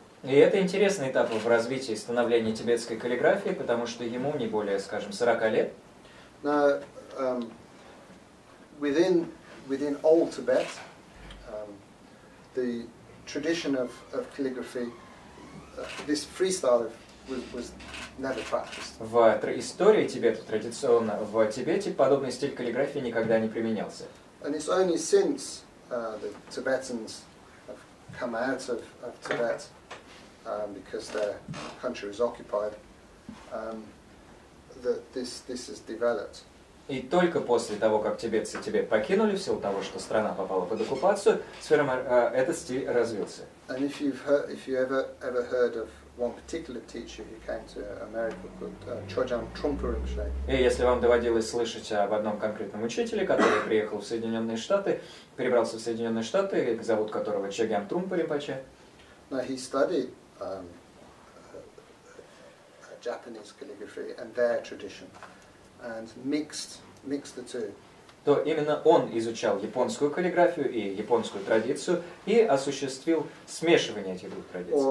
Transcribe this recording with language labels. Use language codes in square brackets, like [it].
[ru] И это интересный этап в развитии и становлении тибетской каллиграфии, потому что ему не более, скажем, 40 лет. [en] Now, within old Tibet, the tradition of calligraphy. This freestyle was never practiced. [ru] В истории Тибета традиционно в Тибете подобный стиль каллиграфии никогда не применялся. [en] And it's only since the Tibetans have come out of Tibet because their country was occupied that this has developed. [ru] И только после того, как тибетцы Тибет покинули, в силу того, что страна попала под оккупацию, этот стиль развился. [en] And if you've heard, if you ever heard of one particular teacher who came to America called Chogyam Trungpa Rinpoche. [ru] И если вам доводилось слышать об одном конкретном учителе, который приехал в Соединенные Штаты, перебрался в Соединенные Штаты, зовут которого Чогьям Трунгпа Ринпоче. [en] Now he studied Japanese calligraphy and their tradition. And mixed the two. [ru] То именно он изучал японскую каллиграфию и японскую традицию и осуществил смешивание этих двух традиций.